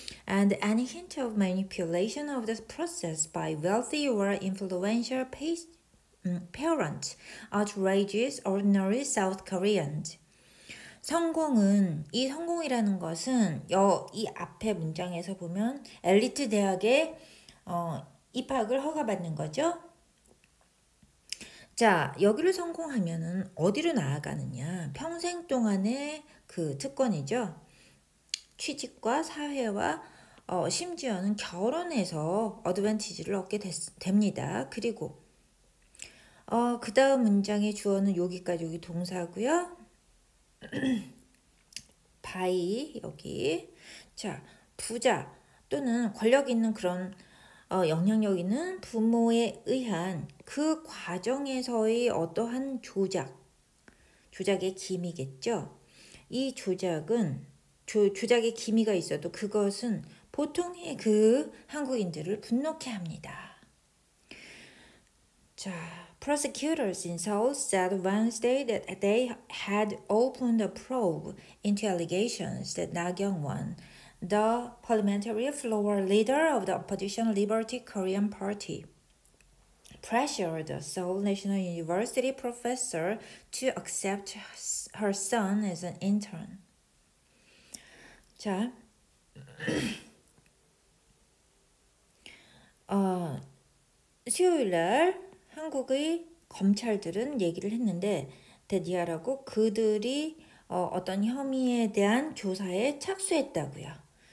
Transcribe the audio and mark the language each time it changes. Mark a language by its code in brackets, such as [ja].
[en] And any hint of manipulation of this process by wealthy or influential parents outrages ordinary South Koreans. [ko] 성공은, 이 성공이라는 것은, 이 앞에 문장에서 보면, 엘리트 대학에 입학을 허가받는 거죠. 자, 여기를 성공하면은 어디로 나아가느냐? 평생 동안의 그 특권이죠. 취직과 사회와 심지어는 결혼해서 어드밴티지를 얻게 됩니다. 그리고 그 다음 문장의 주어는 여기까지 여기 동사고요. by 여기. 자, 부자 또는 권력 있는 그런 영향력 있는 부모에 의한 그 과정에서의 어떠한 조작의 기미겠죠. 이 조작은 조작의 기미가 있어도 그것은 보통의 그 한국인들을 분노케 합니다. 자, [en] Prosecutors in Seoul said Wednesday that they had opened a probe into allegations that Na Kyung-won, the parliamentary floor leader of the opposition Liberty Korean Party, pressured Seoul National University professor to accept her son as an intern. [ko] 자, 수요일날 한국의 검찰들은 얘기를 했는데 데디아라고 그들이 어떤 혐의에 대한 조사에 착수했다고요.